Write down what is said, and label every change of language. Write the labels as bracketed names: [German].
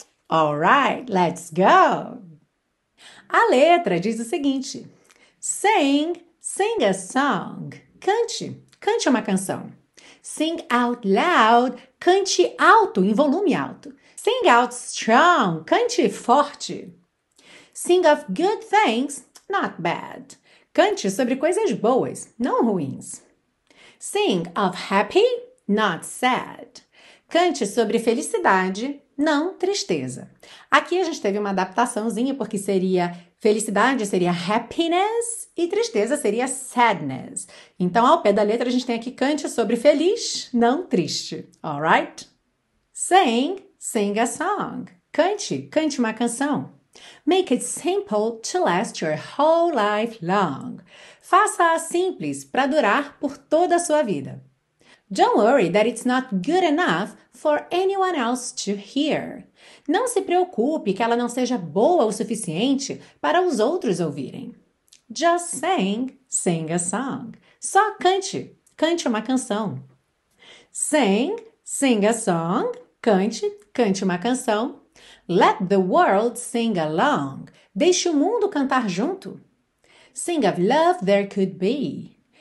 [English] All right, let's go! [Portuguese] A letra diz o seguinte: [English] Sing, sing a song. [Portuguese] Cante, cante uma canção. [English] Sing out loud, [Portuguese] cante alto, em volume alto. [English] Sing out strong, [Portuguese] cante forte. [English] Sing of good things, not bad. [Portuguese] Cante sobre coisas boas, não ruins. [English] Sing of happy, not sad. [Portuguese] Cante sobre felicidade, não tristeza. Aqui a gente teve uma adaptaçãozinha, porque seria felicidade seria happiness e tristeza seria sadness. Então, ao pé da letra, a gente tem aqui cante sobre feliz, não triste. [English] All right? Sing, sing a song. [Portuguese] Cante, cante uma canção. [English] Make it simple to last your whole life long. [Portuguese] Faça-a simples para durar por toda a sua vida. [English] Don't worry that it's not good enough for anyone else to hear. [Portuguese] Não se preocupe que ela não seja boa o suficiente para os outros ouvirem. [English] Just sing, sing a song. [Portuguese] Só cante, cante uma canção. [English] Sing, sing a song. [Portuguese] Cante, cante uma canção. [English] Let the world sing along. [Portuguese] Deixe o mundo cantar junto. [English] Sing of love there could be.